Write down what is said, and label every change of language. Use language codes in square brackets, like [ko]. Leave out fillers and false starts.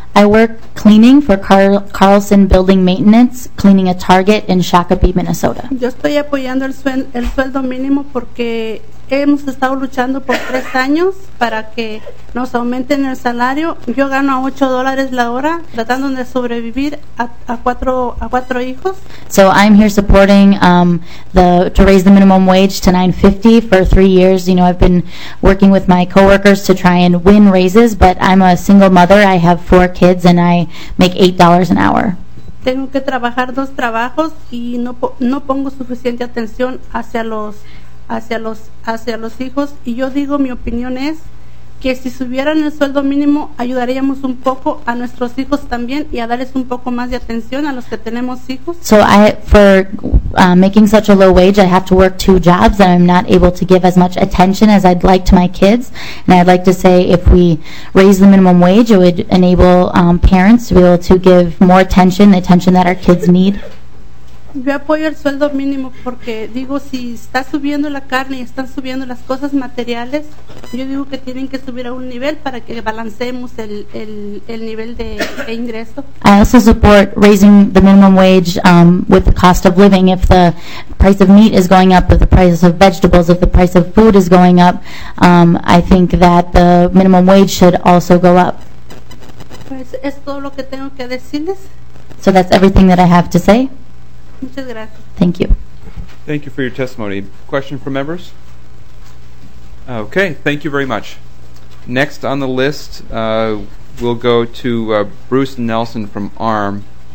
[en] I work cleaning for Carlson Building Maintenance, cleaning a Target in Shakopee, Minnesota. [es] Yo estoy apoyando el sueldo mínimo porque hemos estado luchando por tres años para que nos aumenten el salario. Yo gano a $8 la hora tratando de sobrevivir a cuatro hijos. [en] So I'm here supporting to raise the minimum wage to $9.50 for 3 years. You know, I've been working with my coworkers to try and win raises, but I'm a single mother. I have four kids and I make $8 an hour. [es] Tengo que trabajar dos trabajos y no pongo suficiente atención hacia los hijos, y yo digo, mi opinión es que si subieran el sueldo mínimo ayudaríamos un poco a nuestros hijos también y a darles un poco más de atención a los que tenemos hijos. [en] So I, for making such a low wage, I have to work two jobs and I'm not able to give as much attention as I'd like to my kids. And I'd like to say if we raise the minimum wage, it would enable parents to be able to give more attention, the attention that our kids need. [es] Yo apoyo el sueldo mínimo porque digo, si está subiendo la carne y están subiendo las cosas materiales, yo digo que tienen que subir a un nivel para que balancemos el nivel de ingreso. [en] I also support raising the minimum wage with the cost of living. If the price of meat is going up, if the price of vegetables, if the price of food is going up, I think that the minimum wage should also go up. [es] Pues es todo lo que tengo que decirles. [en] So that's everything that I have to say. Thank you. Thank you for your testimony. Question from members? Okay, thank you very much. Next on the list, we'll go to Bruce Nelson from ARM.